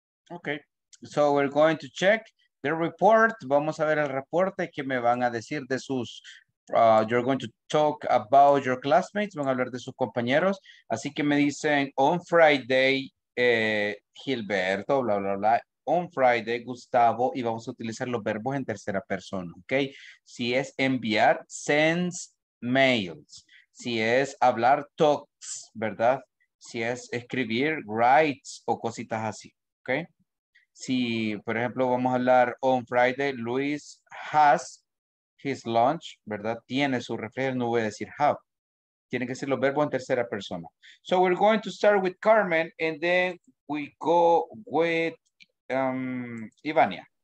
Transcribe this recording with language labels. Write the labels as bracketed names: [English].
[English] Okay, so we're going to check the report. [Spanish] Vamos a ver el reporte que me van a decir de sus. [English] You're going to talk about your classmates. [Spanish] Van a hablar de sus compañeros. Así que me dicen [English] on Friday, [Spanish] Gilberto, bla, bla, bla. [English] On Friday, Gustavo. [Spanish] Y vamos a utilizar los verbos en tercera persona. Okay, si es enviar, [English] sends mails. [Spanish] Si es hablar, talks, ¿verdad? Si es escribir, writes o cositas así. Okay. Si, por ejemplo, vamos a hablar [English] on Friday, Luis has his lunch, [Spanish] ¿verdad? Tiene su refrigerador, no voy a decir have. Tiene que ser los verbos en tercera persona. [English] So we're going to start with Carmen and then we go with Ivania.